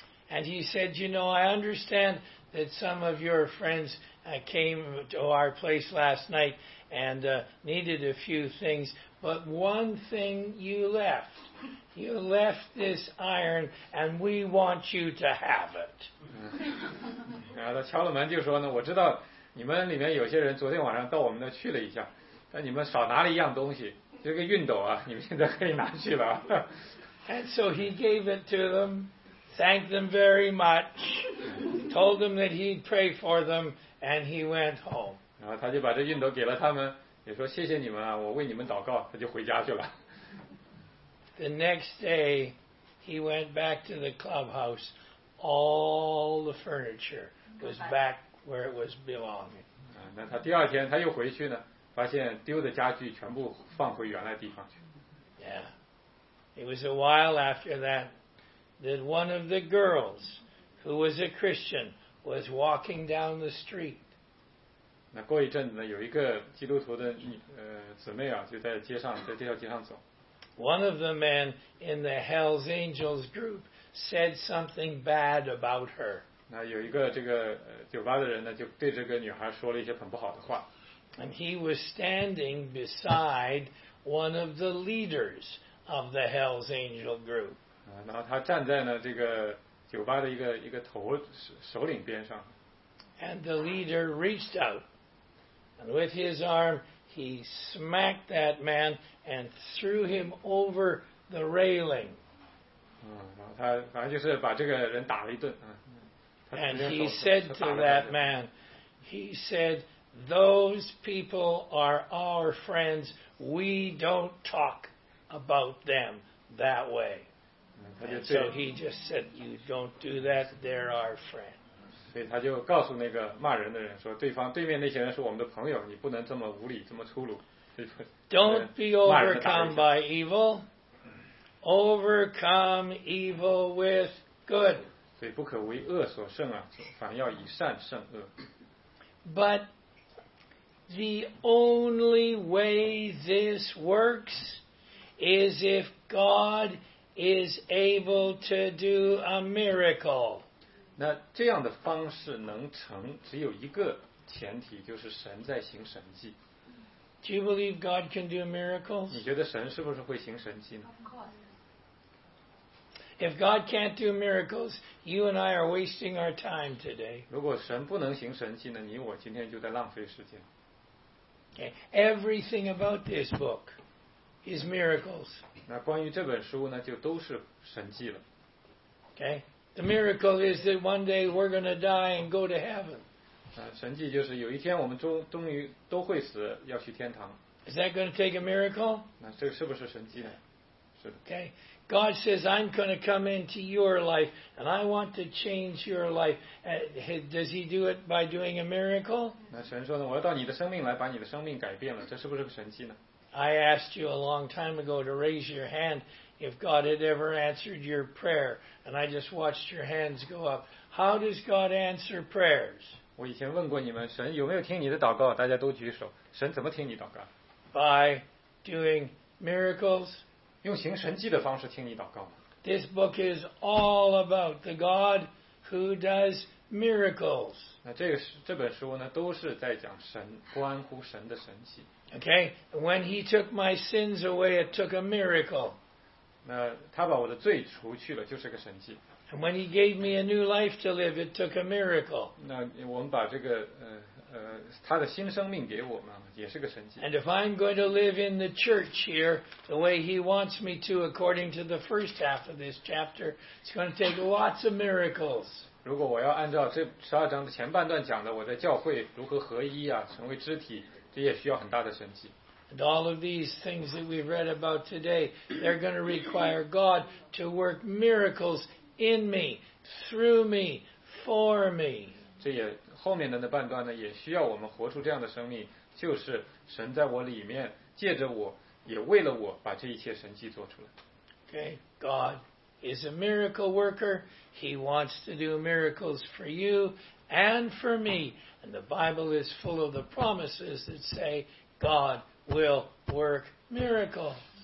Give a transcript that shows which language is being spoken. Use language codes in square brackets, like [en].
[en] And he said, "You know, I understand that some of your friends came to our place last night and needed a few things, but one thing you left this iron, and we want you to have it." [zh] 然后他敲了门就说呢，我知道你们里面有些人昨天晚上到我们那去了一下，但你们少拿了一样东西。这个熨斗啊，你们现在可以拿去了。 [en] And so he gave it to them, thanked them very much, told them that he'd pray for them, and he went home. [zh] 然后他就把这熨斗给了他们，也说谢谢你们啊，我为你们祷告，他就回家去了。 [en] The next day, he went back to the clubhouse. All the furniture was back where it was belonging. [zh] 那他第二天他又回去呢？发现丢的家具全部放回原来地方去。 [en] Yeah, it was a while after that that one of the girls who was a Christian was walking down the street. [zh] 那过一阵子呢，有一个基督徒的姊妹啊，就在街上，在这条街上走。 [en] One of the men in the Hell's Angels group said something bad about her. [zh] 那有一个这个酒吧的人呢，就对这个女孩说了一些很不好的话。 [en] And he was standing beside one of the leaders of the Hell's Angel group. [zh] 然后他站在呢这个酒吧的一个首领边上。 [en] And the leader reached out, and with his arm he smacked that man and threw him over the railing. [zh] 然后他反正就是把这个人打了一顿。 [en] And he said to that man, he said. Those people are our friends. We don't talk about them that way. And so he just said, "You don't do that. They're our friends." [zh] 所以他就告诉那个骂人的人说，对方对面那些人是我们的朋友，你不能这么无理，这么粗鲁。 [en] Don't be overcome by evil. Overcome evil with good. [zh] 所以不可为恶所胜啊，反要以善胜恶。 [en] But the only way this works is if God is able to do a miracle. [zh] 那这样的方式能成，只有一个前提，就是神在行神迹。 [en] Do you believe God can do miracles? [zh] 你觉得神是不是会行神迹呢？ [en] Of course. If God can't do miracles, you and I are wasting our time today. [zh] 如果神不能行神迹呢，你我今天就在浪费时间。 [en] Okay. Everything about this book is miracles. [zh] 那关于这本书呢，就都是神迹了。 [en] Okay. The miracle is that one day we're going to die and go to heaven. [zh] 神迹就是有一天我们终于都会死，要去天堂。 [en] Is that going to take a miracle? [zh] 那这是不是神迹呢？是的。 [en] Okay, God says I'm going to come into your life and I want to change your life. Does He do it by doing a miracle? [zh] 那神说呢，我要到你的生命来，把你的生命改变了，这是不是个神迹呢？ [en] I asked you a long time ago to raise your hand if God had ever answered your prayer, and I just watched your hands go up. How does God answer prayers? [zh] 我以前问过你们，神有没有听你的祷告？大家都举手。神怎么听你祷告 [en] ？By doing miracles， [zh] 用行神迹的方式听你祷告吗 [en] ？This book is all about the God who does miracles。 [zh] 那这本书呢，都是在讲神，关乎神的神迹。 [en] Okay， when He took my sins away， it took a miracle。 [zh] 那他把我的罪除去了，就是个神迹。 [en] And when He gave me a new life to live, it took a miracle. [zh] 那我们把这个他的新生命给我们，也是个神迹。 [en] And if I'm going to live in the church here the way He wants me to, according to the first half of this chapter, it's going to take lots of miracles. [zh] 如果我要按照这十二章的前半段讲的，我在教会如何合一啊，成为肢体，这也需要很大的神迹。 [en] And all of these things that we've read about today, they're going to require God to work miracles. In me, through me, for me. [zh] 这也后面的那半段呢，也需要我们活出这样的生命，就是神在我里面，借着我，也为了我，把这一切神迹做出来。 [en] Okay, God is a miracle worker. He wants to do miracles for you and for me. And the Bible is full of the promises that say God will work miracles.